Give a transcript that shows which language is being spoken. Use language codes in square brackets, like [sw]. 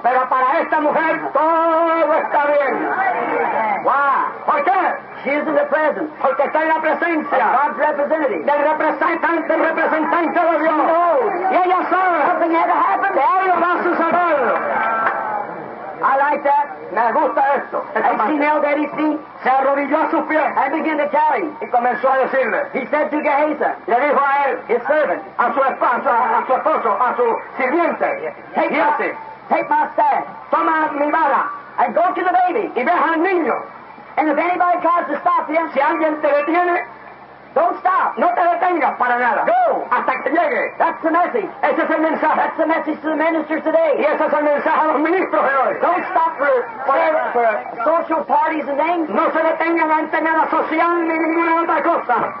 [es] Pero para esta mujer, todo está bien. [en] Why? [es] ¿Por qué? [en] She is in the presence. [es] Porque está en la presencia. [en] Of God's representative. [es] Del representante, de Dios. [en] She knows. [es] Y ella sabe. [en] Something had to happen. [es] Que algo va a suceder. [en] I like that. [es] Me gusta esto. [en] And she knelt at his feet. [es] Se arrodilló a sus pies. [en] And began to tell him. [es] Y comenzó a decirle. [en] He said to Gehazi. [es] Le dijo a él. [en] His servant. [es] A su esposo, a su sirviente. [en] Take my staff. [es] Toma mi vara. [en] And go to the baby. [es] Y ve al niño. [en] And if anybody tries to stop you. [es] Si alguien te detiene. [en] Don't stop. [es] No te detengas para nada. [en] Go. [es] Hasta que llegue. [en] That's the message. [es] Ese es el mensaje. [en] That's the message to the ministers today. [es] Y ese es el mensaje a los ministros de hoy. [en] Don't stop for social parties and things. [es] No se detengan ante nada social ni ninguna otra cosa.